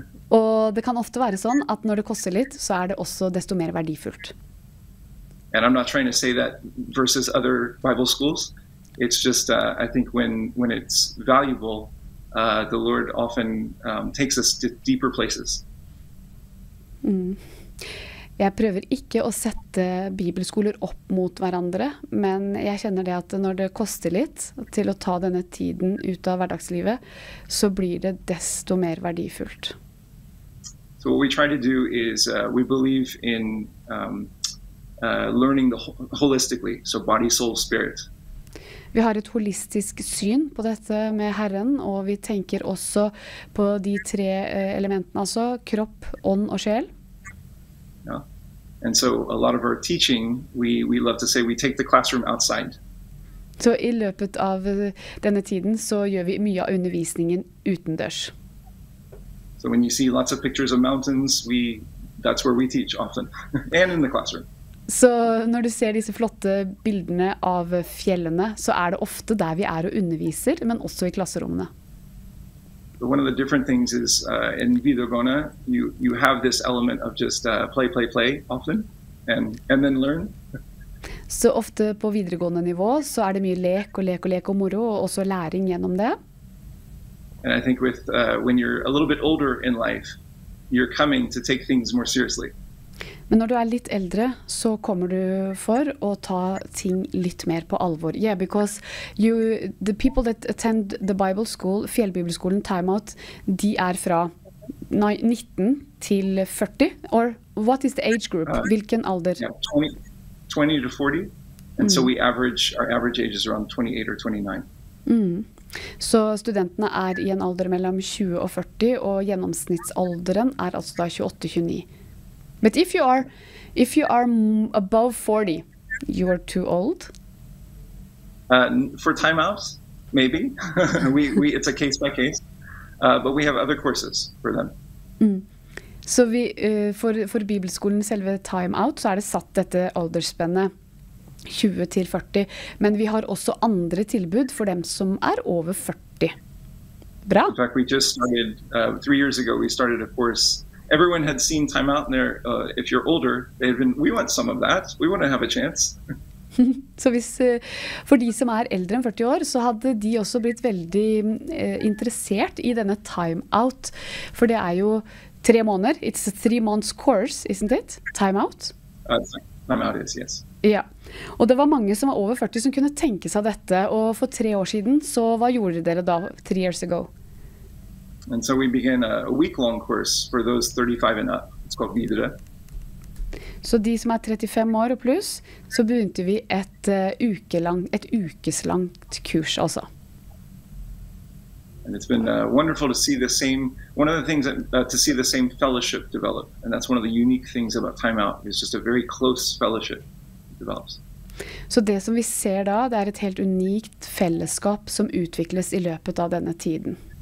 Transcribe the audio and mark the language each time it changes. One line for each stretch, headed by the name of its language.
Norwegian: Og det kan ofte være sånn at når det koster litt, så det også desto mer verdifullt.
English: And I'm not trying to say that versus other Bible schools. It's just I think when it's valuable, the Lord often takes us to deeper places. Mm.
Norwegian: Jeg prøver ikke å sette bibelskoler opp mot hverandre, men jeg kjenner det at når det koster litt til å ta denne tiden ut av hverdagslivet, så blir det desto mer verdifullt.
English: So what we try to do is we believe in learning holistically, so body, soul, spirit.
Norwegian: Vi har et holistisk syn på dette med Herren, og vi tenker også på de 3 elementene, altså kropp, ånd og sjel. Yeah.
English: And so a lot of our teaching, we love to say we take the classroom outside.
Norwegian: Så I løpet av denne tiden så gjør vi mye av undervisningen utendørs.
English: So when you see lots of pictures of mountains, that's where we teach often and in the classroom.
Norwegian: Så når du ser disse flotte bildene av fjellene, så det ofte der vi og underviser, men også I klasserommene.
English: One of the different things is in Vidogona, you have this element of just play often and then learn.
Norwegian: Så ofte på videregående nivå så det mye lek og moro og også læring gjennom det.
English: And I think with when you're a little bit older in life, you're coming to take things more seriously.
Norwegian: Men når du litt eldre, så kommer du for å ta ting litt mer på alvor.
English: Yeah, because the people that attend the Bible school, Fjellbibelskolen timeout,
Norwegian: de fra 19 til 40,
English: or what is the age group?
Norwegian: Hvilken alder?
English: Yeah, 20 to 40. And so our average age is around 28 or 29.
Norwegian: Mm. Så studentene I en alder mellom 20 og 40, og gjennomsnittsalderen altså da 28-29.
English: But if you are above 40, you are too old. For timeouts, maybe. it's a case by case. But we have other courses for them.
Norwegian: Mm. Så vi, for Bibelskolen selve timeout, så er det satt dette aldersspennet 20-40. Men vi har også andre tilbud for dem som er over 40. Bra.
English: In fact, we just started, 3 years ago, we started a course. Everyone had seen Time Out, and there, if you're older, they had been, we want some of that. We want to have a chance.
Norwegian: Så hvis, for de som er eldre enn 40 år, så hadde de også blitt veldig interessert i denne Time Out. For det er jo 3 måneder.
English: It's a 3 months course, isn't it? Time Out? Time Out is, yes.
Norwegian: Ja, og det var mange som var over 40 som kunne tenke seg dette, og for 3 år siden, så hva gjorde dere da,
English: 3 years ago? And so we began a week-long course for those 35 and up, it's called Videre.
Norwegian: Så de som er 35 år og pluss, så begynte vi et ukeslangt kurs også.
English: And it's been wonderful to see the same, one of the things, that, to see the same fellowship develop, and that's one of the unique things about Time Out, it's just a very close fellowship.
Norwegian: Så det som vi ser da, det er et helt unikt fellesskap som utvikles i løpet av denne tiden.